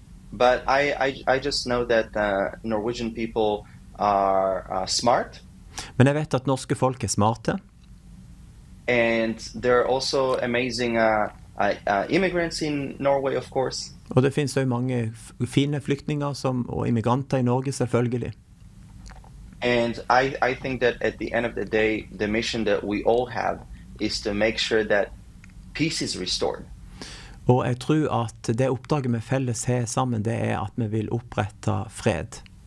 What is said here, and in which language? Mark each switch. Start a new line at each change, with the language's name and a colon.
English: But I just know that Norwegian people are smart.
Norwegian: Men jeg vet at norske folk er smarte.
English: And there are also amazing immigrants in Norway, of course.
Norwegian: Og det finnes jo mange fine flyktninger som, og immigranter i Norge, selvfølgelig.
English: And I think that at the end of the day, the mission that we all have is to make sure that peace is restored.
Norwegian: Og jeg tror at det oppdraget vi felles har sammen, det er at vi vil opprette fred.